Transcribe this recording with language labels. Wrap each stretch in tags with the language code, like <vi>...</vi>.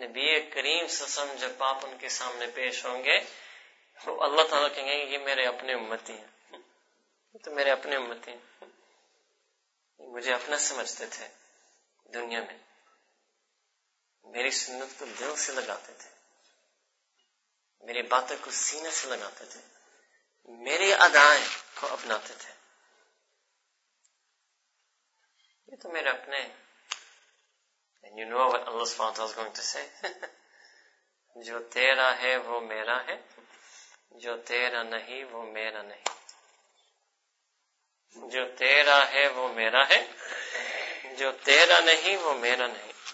<en>The Nabi Kareem Sassam, when you will be in front of him, Allah will say that you are my own ummati. You are my own ummati. You understood me in the world. You understood me from my heart.</en> <ur>میرے باتوں کو سینے سے لگاتے تھے, میرے ادائیں کو اپناتے تھے. یہ تو میرے اپنے.</ur> <en>And you know what Allah SWT is going to say.</en> <ur>جو تیرا ہے وہ میرا ہے, جو تیرا نہیں وہ میرا نہیں. جو تیرا ہے وہ میرا ہے, جو تیرا نہیں وہ میرا نہیں.</ur>